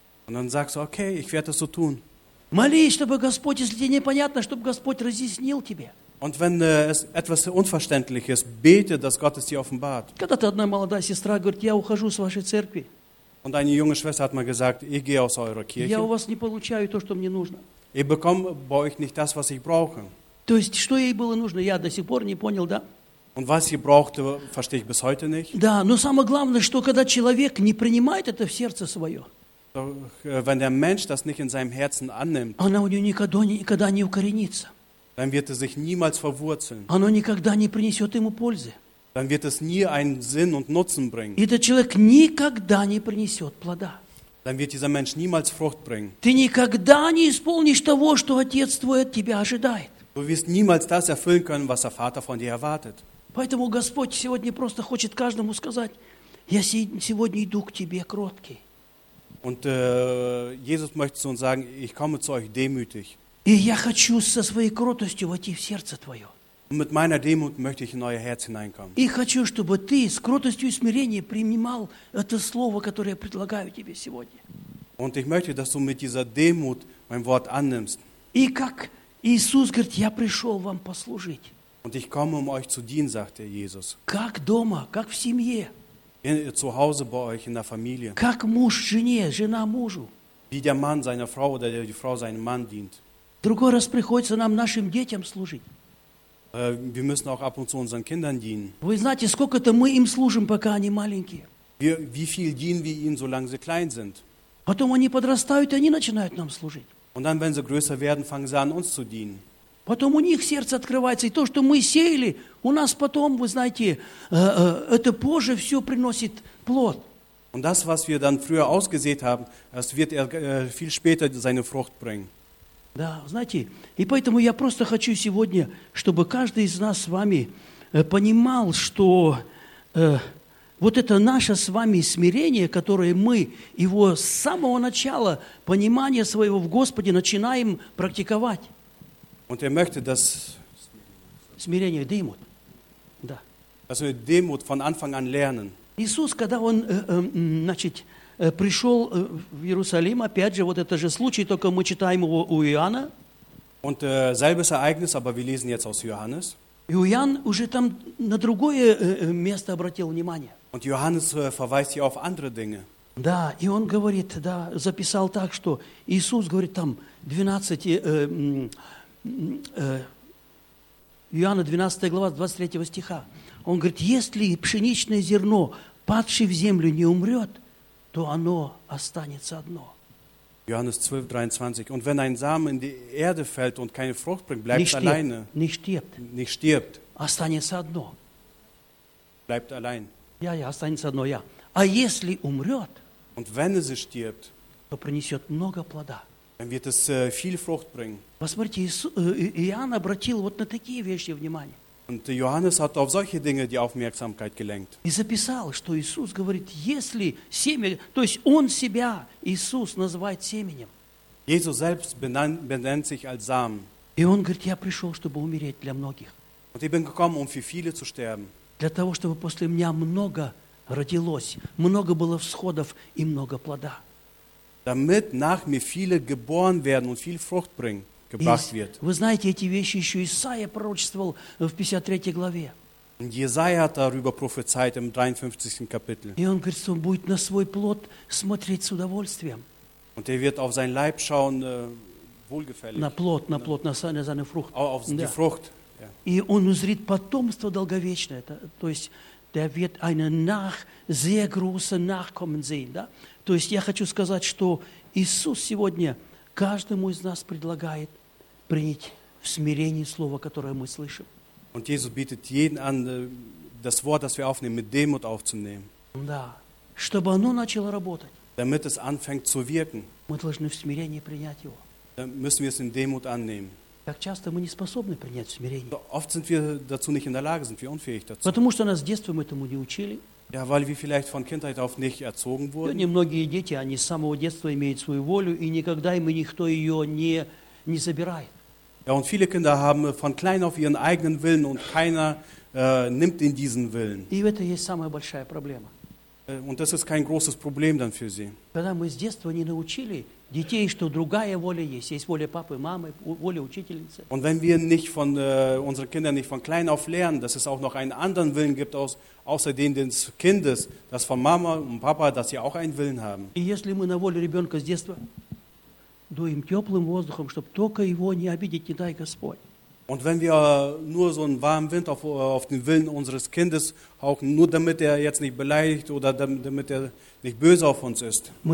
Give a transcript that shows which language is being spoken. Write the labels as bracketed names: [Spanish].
[German] Und dann sagst du, okay, ich werde das so tun. [Russian] Молись, чтобы Господь, если тебе непонятно, чтобы Господь разъяснил тебе. [German] Und wenn es etwas unverständlich ist, bete, dass Gott es dir offenbart. [Russian] Когда-то одна молодая сестра говорит, я ухожу с вашей церкви. [German] Und eine junge Schwester hat mal gesagt, ich gehe aus eurer Kirche. [Russian] Я у вас не получаю то, что мне нужно. [German] Ich bekomme bei euch nicht das, was ich brauche. [Russian] То есть, что ей было нужно, я до сих пор не понял, да? [German] Und was sie brauchte, verstehe ich bis heute nicht. [Russian] Да, но самое главное, что когда человек не принимает это в сердце свое, [German] doch, wenn der Mensch das nicht in seinem Herzen annimmt, [Russian] оно у него никогда не укоренится. [German] Dann wird es sich niemals verwurzeln. [Russian] Оно никогда не принесет ему пользы. [German] Dann wird es nie einen Sinn und Nutzen bringen. [Russian] И этот человек никогда не принесет плода. [German] Dann wird dieser Mensch niemals Frucht bringen. [Russian] Ты никогда не исполнишь того, что Отец твой от тебя ожидает. [German] Du wirst niemals das erfüllen können, was der Vater von dir erwartet. [Russian] Поэтому Господь сегодня просто хочет каждому сказать, я сегодня иду к тебе кроткий. [German] Und Jesus möchte zu uns sagen, ich komme zu euch demütig. [Russian] И я хочу со своей кротостью войти в сердце твое. [German] Und mit meiner Demut möchte ich in euer Herz hineinkommen. [Russian] И хочу, чтобы ты с кротостью и смирением принимал это слово, которое я предлагаю тебе сегодня. [German] Und ich möchte, dass du mit dieser Demut mein Wort annimmst. [Russian] И как Иисус говорит, я пришел вам послужить. [German] Und ich komme, um euch zu dienen, sagt der Jesus. [Russian] Как дома, как в семье. [German] Zu Hause bei euch in der Familie. [Russian] Как муж жене, жена мужу. [German] Wie der Mann seiner Frau oder die Frau seinem Mann dient. [Russian] Другой раз приходится нам нашим детям служить. [German] Wir müssen auch ab und zu unseren Kindern dienen. [Russian] Вы знаете, сколько-то мы им служим, пока они маленькие. [German] Wie viel dienen wir ihnen, solange sie klein sind. [Russian] Потом они подрастают, и они начинают нам служить. [German] Und dann, wenn sie größer werden, fangen sie an, uns zu dienen. [Russian] Потом у них сердце открывается, и то, что мы сеяли, у нас потом, вы знаете, это позже все приносит плод. [German] Und das, was wir dann früher ausgesät haben, das wird viel später seine Frucht bringen. [Russian] Да, знаете, и поэтому я просто хочу сегодня, чтобы каждый из нас с вами понимал, что вот это наше с вами смирение, которое мы его с самого начала понимания своего в Господе начинаем практиковать. [German] Und er möchte, dass [Russian] смирение, Demut. Да. [German] Dass wir Demut von Anfang an lernen. [Russian] Иисус, когда он, значит, пришел в Иерусалим, опять же, вот это же случай, только мы читаем его у Иоанна. [German] Und selbes Ereignis, aber wir lesen jetzt aus Johannes. [Russian] И Иоанн уже там на другое место обратил внимание. [German] Und Johannes verweist hier auf andere Dinge. [Russian] Да, и он говорит, да, записал так, что Иисус говорит там 12, Иоанна 12 глава 23 стиха. Он говорит, если пшеничное зерно, падшее в землю, не умрет, то оно останется одно. [German] Johannes 12, 23. Und wenn ein Samen in die Erde fällt und keine Frucht bringt, bleibt nicht stirbt, alleine. Nicht stirbt. [Russian] Останется одно. [German] Bleibt allein. [Russian] Ja, ja, останется одно, ja. А если умрет, [German] und wenn es stirbt, [Russian] то принесет много плода. [German] Dann wird es viel Frucht bringen. [Russian] Посмотрите, Иоанн обратил вот на такие вещи внимание. [German] Und Johannes hat auf solche Dinge die Aufmerksamkeit gelenkt. [Russian] И записал, что Иисус говорит, если семя, то есть он себя, Иисус, называет семенем. [German] Jesus selbst benennt sich als Samen. [Russian] И он говорит, я пришел, чтобы умереть для многих. [German] Und ich bin gekommen, um für viele zu sterben. [Russian] Для того, чтобы после меня много родилось, много было всходов и много плода. [German] Damit nach mir viele geboren werden und viel Frucht bringen. [Russian] Вы знаете, эти вещи еще Исаия пророчествовал в 53 главе. [German] Jesaja hat darüber prophezeit im 53. Kapitel. [Russian] И он говорит, что он будет на свой плод смотреть с удовольствием. [German] Und er wird auf seinen Leib schauen, wohlgefällig. [Russian] На плод, на [German] seine Frucht. Auf die Frucht. [Russian] И он узрит потомство долговечное, то есть [German] der wird eine nach sehr große Nachkommen sehen, [Russian] да? То есть я хочу сказать, что Иисус сегодня каждому из нас предлагает принять в смирении слово, которое мы слышим. [German] Und Jesus bietet jeden an, das Wort, das wir aufnehmen, mit Demut aufzunehmen. [Russian] Да, чтобы оно начало работать. [German] Damit es anfängt zu wirken. [Russian] Мы должны в смирении принять его. [German] Dann müssen wir es in Demut annehmen. [Russian] Как часто мы не способны принять в смирении. [German] Oft sind wir dazu nicht in der Lage, sind wir unfähig dazu. [Russian] Потому что нас с детства мы этому не учили. [German] Ja, weil wir vielleicht von Kindheit auf nicht erzogen wurden. [Russian] Немногие дети, они с самого детства имеют свою волю, и никогда им никто ее не забирает. [German] Ja, und viele Kinder haben von klein auf ihren eigenen Willen und keiner nimmt ihnen diesen Willen. [Russian] И это есть самая большая проблема. [German] Und das ist kein großes Problem dann für sie. [Russian] Когда мы с детства не научили детей, что другая воля есть, есть воля папы, мамы, воля учительницы. [German] Und wenn wir nicht von unseren Kindern nicht von klein auf lernen, dass es auch noch einen anderen Willen gibt außer den des Kindes, dass von Mama und Papa, dass sie auch einen Willen haben. [Russian] И если мы на волю ребенка с детства дуем теплым воздухом, чтобы только его не обидеть, не дай Господь. [German] Und wenn wir nur so einen warmen Wind auf den Willen unseres Kindes hauchen, nur damit er jetzt nicht beleidigt oder damit er nicht böse auf uns ist.